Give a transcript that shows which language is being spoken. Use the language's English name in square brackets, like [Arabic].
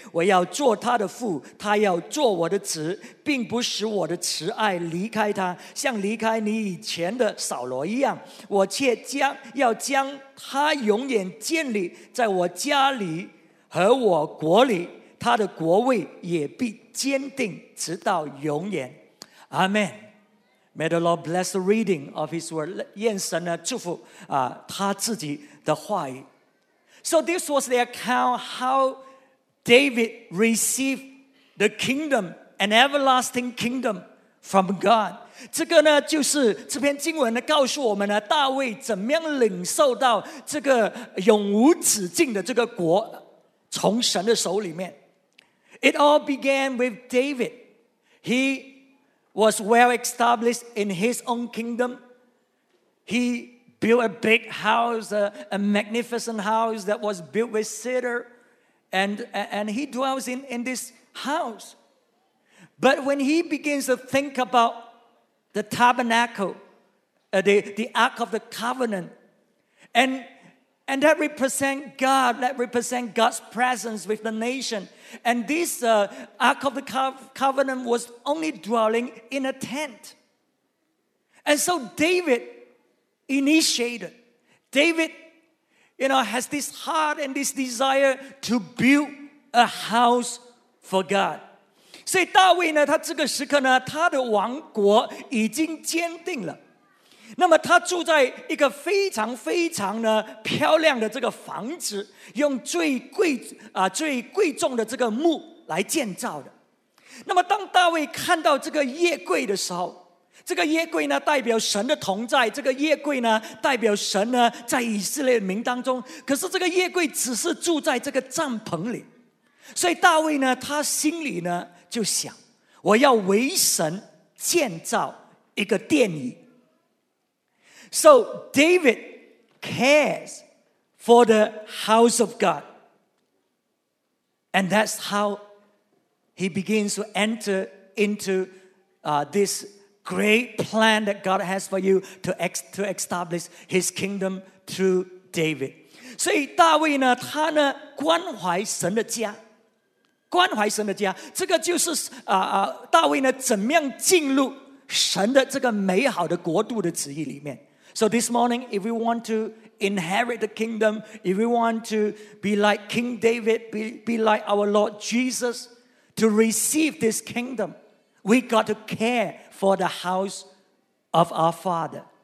[Chinese] 我要做他的父，他要做我的子，并不使我的慈爱离开他，像离开你以前的扫罗一样。我却将要将他永远建立在我家里和我国里，他的国位也必坚定直到永远。阿门。 [English] May the Lord bless the reading of his word. [Chinese] 愿神呢祝福他自己的话语。 [English] So this was the account how David received the kingdom, an everlasting kingdom from God. [Chinese] 这个呢就是这篇经文呢告诉我们呢大卫怎么样领受到这个永无止境的这个国从神的手里面。 [English] It all began with David. He was well established in his own kingdom. He built a big house, a magnificent house that was built with cedar, and he dwells in this house. But when he begins to think about the tabernacle, the Ark of the Covenant, and that represents God, that represents God's presence with the nation. And this Ark of the Covenant was only dwelling in a tent. And so David initiated. David, you know, has this heart and this desire to build a house for God. [Chinese] 所以大卫呢，他这个时刻呢，他的王国已经坚定了。那么他住在一个非常非常呢漂亮的这个房子，用最贵重的这个木来建造的。那么当大卫看到这个耶柜的时候，这个耶柜呢代表神的同在，这个耶柜呢代表神呢在以色列民当中，可是这个耶柜只是住在这个帐篷里。所以大卫呢他心里呢就想，我要为神建造一个殿宇。 [English] So David cares for the house of God. And that's how he begins to enter into this great plan that God has for you to establish his kingdom through David. [Chinese] 所以大卫呢他呢关怀神的家。关怀神的家。这个就是大卫呢怎么样进入神的这个美好的国度的旨意里面。 [English] So this morning, if we want to inherit the kingdom, if we want to be like King David, be like our Lord Jesus, to receive this kingdom, we got to care for the house of our Father.